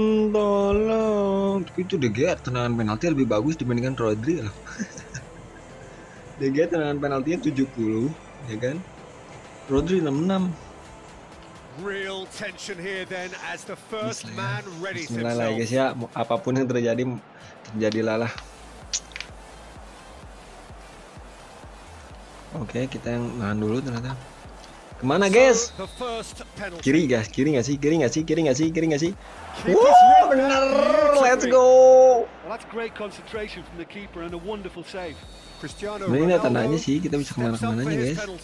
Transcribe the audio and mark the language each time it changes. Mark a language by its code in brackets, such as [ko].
[id] Tolong. Itu De Gea tendangan penalti lebih bagus dibandingkan Rodri lah. De Gea tendangan penaltinya 70, ya kan? Rodri 66. [en] Real tension here then as the first man ready [id] to lah guys ya, apapun yang terjadi terjadilah lah. Oke, kita yang nahan dulu ternyata. Kemana guys? Kiri guys, kiri nggak sih? Kiri nggak sih? Kiri nggak sih? Kiri nggak sih? [en] Wow, bener! Let's go! That's great concentration from the keeper and a wonderful save. [id] Ini nggak tandanya sih, kita bisa kemana-mana aja guys.